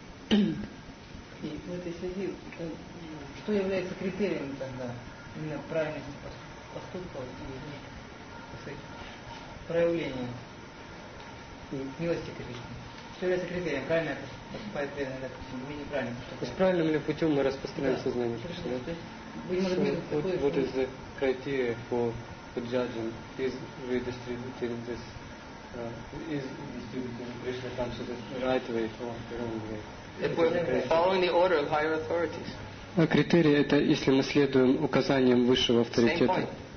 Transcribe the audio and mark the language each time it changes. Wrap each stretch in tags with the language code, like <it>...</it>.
<ru>И в этой связи, что является критерием тогда правильности поступков и проявления милости к Кришне? Что является критерием? Правильно поступает преданный, допустим, или неправильно поступает? С правильным ли путем мы распространяем сознание Кришны?</ru> <en>What is the criteria for judging? Is we distributing this? Is distributing Krishna consciousness the right way or the wrong way? If we're following the order of higher authorities.</en> <ru>А критерии это если мы следуем указаниям высшего авторитета.</ru>